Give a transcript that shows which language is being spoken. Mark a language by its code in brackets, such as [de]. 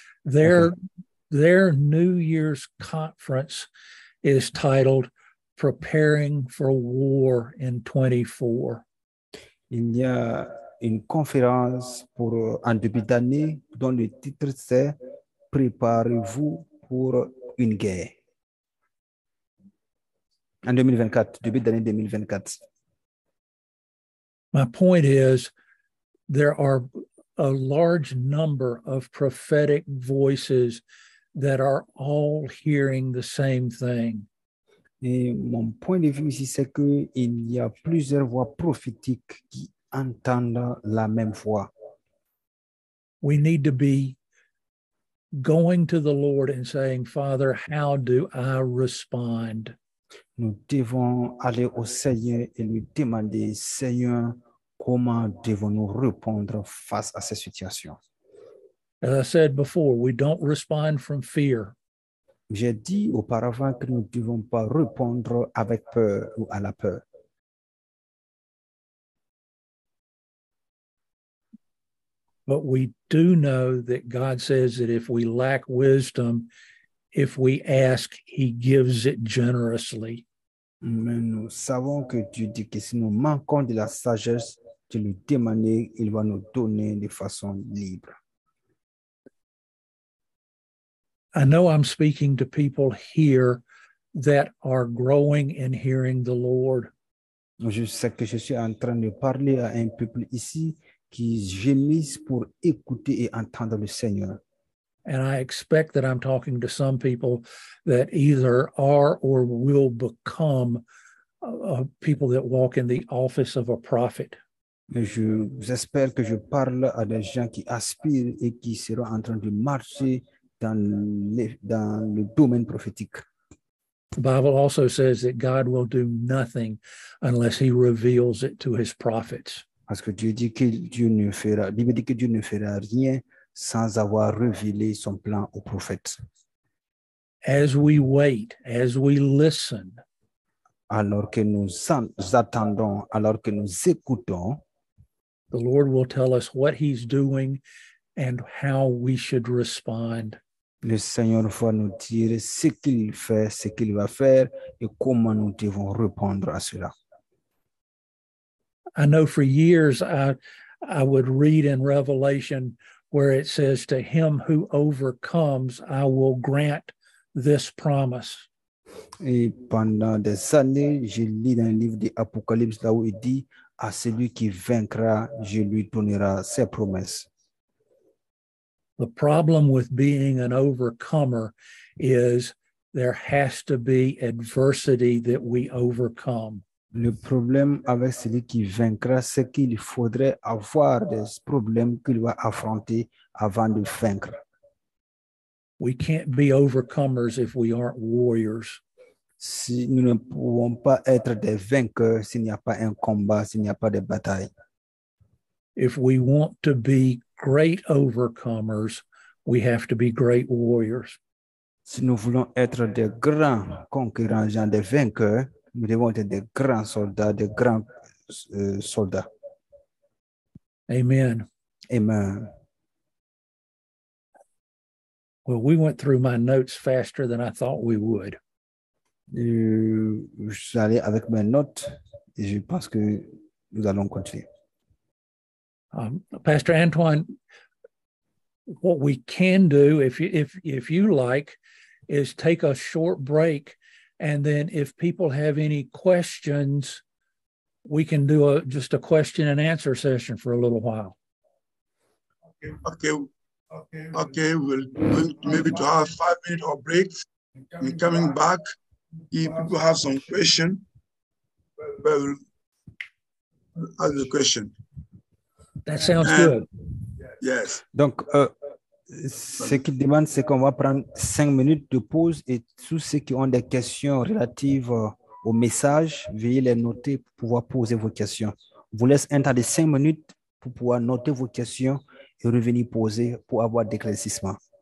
[en] Their New Year's conference is titled Preparing for War in 24. [fr] Il y a une conférence pour en début d'année dont le titre c'est Préparez-vous pour une guerre. En 2024, début d'année 2024. [en] My point is there are a large number of prophetic voices that are all hearing the same thing. [fr] Et mon point de vue ici, c'est qu'il y a plusieurs voix prophétiques qui entendent la même voix. [en] We need to be going to the Lord and saying, Father, how do I respond? [fr] Nous devons aller au Seigneur et lui demander, Seigneur, comment devons-nous répondre face à cette situation? [en] As I said before, we don't respond from fear. [fr] J'ai dit auparavant que nous ne devons pas répondre avec peur ou à la peur. [en] But we do know that God says that if we lack wisdom, if we ask, he gives it generously. [fr] Mais nous savons que Dieu dit que si nous manquons de la sagesse, de lui demander, il va nous donner de façon libre. [en] I know I'm speaking to people here that are growing in hearing the Lord. [fr] Je sais que je suis en train de parler à un peuple ici qui gémisse pour écouter et entendre le Seigneur. [en] And I expect that I'm talking to some people that either are or will become people that walk in the office of a prophet. [fr] J'espère que je parle à des gens qui aspirent et qui seront en train de marcher dans le domaine prophétique. [en] The Bible also says that God will do nothing unless he reveals it to his prophets. [fr] Parce que Dieu dit que Dieu ne fera, Bible dit que Dieu ne fera rien sans avoir révélé son plan aux prophètes. [en] As we wait, as we listen, [fr] alors que nous attendons, alors que nous écoutons, [en] the Lord will tell us what he's doing and how we should respond. [fr] Le Seigneur va nous dire ce qu'il fait, ce qu'il va faire et comment nous devons répondre à cela. [en] I know for years I would read in Revelation where it says, to him who overcomes, I will grant this promise. [fr] Et pendant des années, je lis dans le livre d'Apocalypse là où il dit, à celui qui vaincra, je lui donnerai ses promesses. [en] The problem with being an overcomer is there has to be adversity that we overcome. [fr] Le problème avec celui qui vaincra, c'est qu'il faudrait avoir des problèmes qu'il va affronter avant de vaincre. [en] We can't be overcomers if we aren't warriors. [fr] Si nous ne pouvons pas être des vainqueurs s'il n'y a pas un combat, s'il n'y a pas de bataille. [en] If we want to be great overcomers, we have to be great warriors. [fr] Si nous voulons être des grands conquérants, des vainqueurs, nous devons être des grands soldats, des grands soldats. [en] Amen. [fr] Amen. [en] Well, we went through my notes faster than I thought we would. [fr] Je suis allé avec mes notes et je pense que nous allons continuer. [en] Pastor Antoine, what we can do, if you like, is take a short break. And then if people have any questions, we can do just a question and answer session for a little while. Okay. We'll maybe to have 5 minutes or break. And coming back, if people have some questions, we'll ask the question. That sounds good. Yes. [fr] Donc, ce qu'il demande, c'est qu'on va prendre 5 minutes de pause et tous ceux qui ont des questions relatives au message, veuillez les noter pour pouvoir poser vos questions. On vous laisse un temps de 5 minutes pour pouvoir noter vos questions et revenir poser pour avoir des éclaircissements.